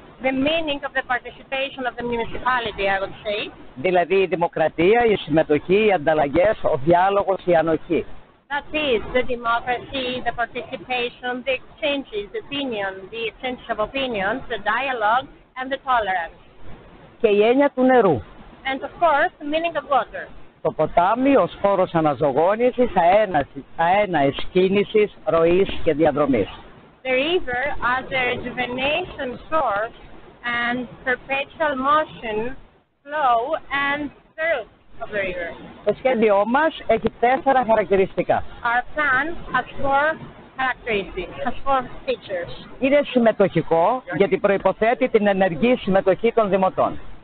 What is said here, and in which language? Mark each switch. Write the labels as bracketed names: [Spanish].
[English] The meaning of the participation of the municipality, I would say. [Greek] Δηλαδή η δημοκρατία, η συμμετοχή, οι ανταλλαγές, ο διάλογος, η ανοχή. [English] That is the democracy, the participation, the exchanges, the opinion, the exchange of opinions, the dialogue and the tolerance. [Greek] Και η έννοια του νερού. [English] And of course, the meaning of water. [Greek] Το ποτάμι ως χώρος αναζωογόνησης, αέναης κίνησης, ροής και διαδρομής. [English] The river as a rejuvenation source and perpetual motion, flow and thirst of the river. [Greek] Το σχέδιό μας έχει τέσσερα χαρακτηριστικά. [English] Our plan has four characteristics, has four features. [Greek] Είναι συμμετοχικό γιατί προϋποθέτει την ενεργή συμμετοχή των δημοτών.